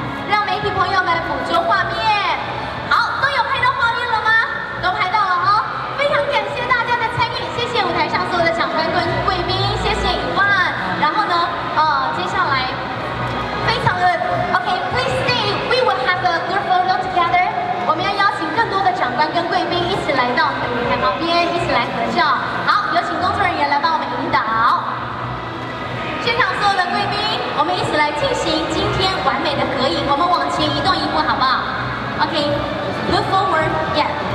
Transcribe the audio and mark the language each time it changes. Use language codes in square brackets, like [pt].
[zh] 让媒体朋友们捕捉画面。好，都有拍到画面了吗？都拍到了哦。非常感谢大家的参与，谢谢舞台上所有的长官跟贵宾，谢谢一万。然后呢，接下来非常的 OK, [en] please stay. We will have a good photo together. [zh] 我们要邀请更多的长官跟贵宾一起来到舞台旁边，一起来合照。好，有请工作人员来帮我们引导。现场所有的贵宾，我们一起来进行今天完美的合影。我们往前移动一步，好不好 ？ [en] OK, move forward, yeah。